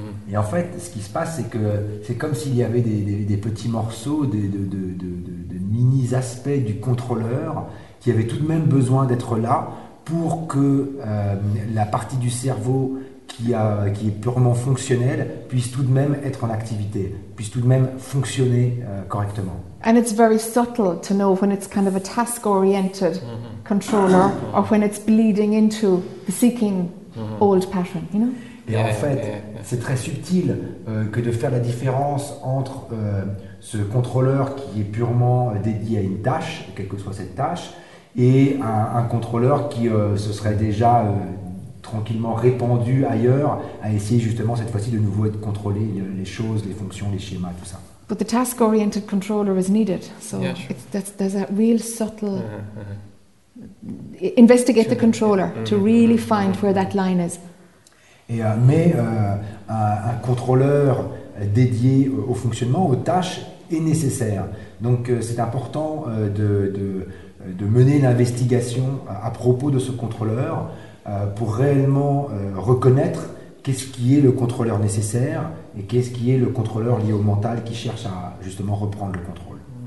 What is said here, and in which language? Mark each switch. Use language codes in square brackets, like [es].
[fr] Et en fait, ce qui se passe, c'est que c'est comme s'il y avait des petits morceaux, de mini petits aspects du contrôleur qui avaient tout de même besoin d'être là pour que la partie du cerveau qui est purement fonctionnelle puisse tout de même être en activité, puisse tout de même fonctionner correctement. [en] And it's very subtle to know when it's kind of a task-oriented mm-hmm. controller or when it's bleeding into the seeking mm-hmm. old pattern, you know? [fr] Et en fait, c'est très subtil que de faire la différence entre ce contrôleur qui est purement dédié à une tâche, quelle que soit cette tâche, et un contrôleur qui se serait déjà tranquillement répandu ailleurs à essayer justement cette fois-ci de nouveau de contrôler les choses, les fonctions, les schémas, tout ça. [en] But the task-oriented controller is needed, so yeah, sure. It's, there's a real subtle... Investigate sure. the controller mm-hmm. to really find mm-hmm. where that line is. [fr] Et, mais un contrôleur dédié au fonctionnement, aux tâches, est nécessaire. Donc c'est important de mener l'investigation à propos de ce contrôleur pour réellement reconnaître qu'est-ce qui est le contrôleur nécessaire et qu'est-ce qui est le contrôleur lié au mental qui cherche à justement reprendre le contrôle.